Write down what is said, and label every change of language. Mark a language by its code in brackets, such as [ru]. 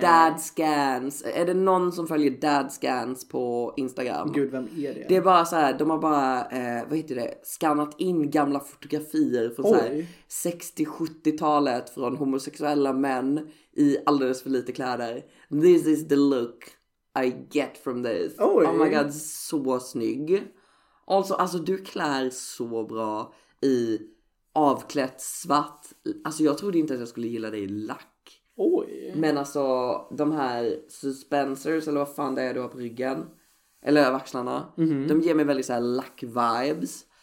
[sv] Dad scans. Är det någon som följer dad scans på Instagram? Gud, vem är det? Det är bara så här, de har bara vad heter det? Scannat in gamla fotografier från så här 60-70-talet från homosexuella män i alldeles för lite kläder. [en] This is the look I get from this. Oj. Oh my god, [sv] så snygg. Alltså du klär så bra i avklätt svart. Alltså jag trodde inte att jag skulle gilla dig i lack. Oj. Men alltså de här suspensors, eller vad fan det är du har på ryggen eller över axlarna, de ger mig väldigt så här lack vibes.